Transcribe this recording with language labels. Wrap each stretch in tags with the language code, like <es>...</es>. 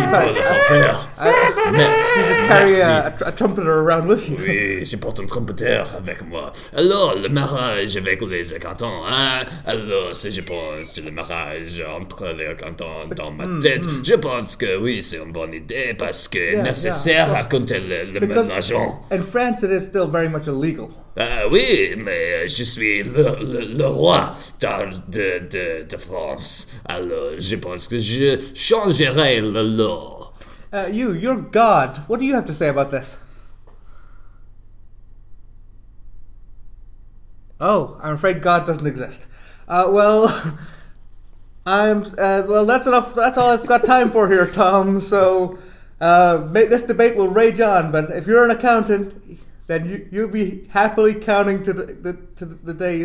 <en>you just carry a trumpeter around with you.</en> <fr>Oui, je porte un trompeteur avec moi. Alors, le mariage avec les accountants. Alors, si je pense que le mariage entre les accountants dans ma tête, je pense que oui, c'est une bonne idée parce que nécessaire à compter le ménage.</fr> <en>In France, it is still very much illegal.</en> <fr>Oui, mais je suis le roi de France. Alors, je pense que je changerai la loi.</fr> <en>You're God. What do you have to say about this? Oh, I'm afraid God doesn't exist. That's enough. That's all I've got time for here, Tom. So, this debate will rage on, but if you're an accountant, then you'll be happily counting to the day.</en>